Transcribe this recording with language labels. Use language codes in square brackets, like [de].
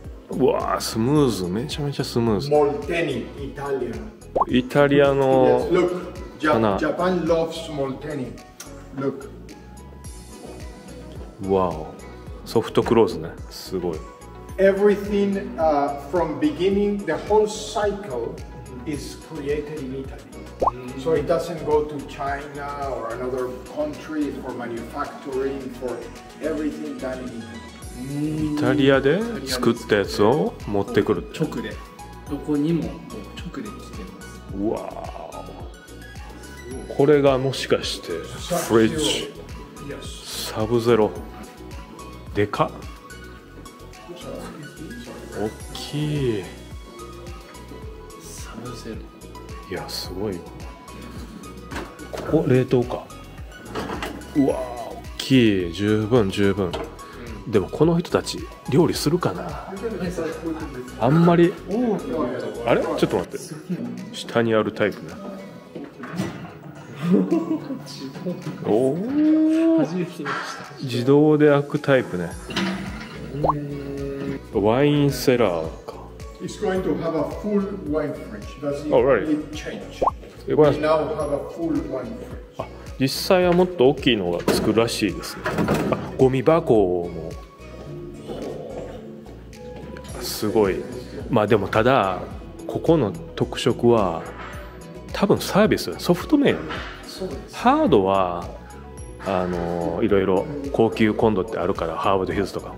[ja] うわー、スムーズ、めちゃめちゃスムーズ。モルテニ、イタリア。イタリアの花。 [en] ジャパン loves モルテニ。 Look。 [ja] わお、ソフトクローズね、すごい。 [en] Everything from beginning, the whole cycle is created in Italy. So it doesn't go to China or another country for manufacturing for everything done in Italy. [ja] イタリアで作ったやつを持ってくる。直で、どこにも直で来てます。うわー、これがもしかしてフリッジ、サブゼロ、でかっ、大きい、サブゼロ、いや、すごい。ここ冷凍か。うわー、大きい、十分十分。でもこの人たち料理するかな。あんまり。あれ、ちょっと待って、下にあるタイプな。おお、自動で開くタイプね。ワインセラーか。 [en] It's going to have a full wine fridge. Does it change? We now have a full wine fridge. [ja] 実際はもっと大きいのが作るらしいですね。ゴミ箱も。すごい。まあでもただここの特色は多分サービス、ソフト面。ハードはあのいろいろ高級コンドってあるから、ハーバードヒルズとか。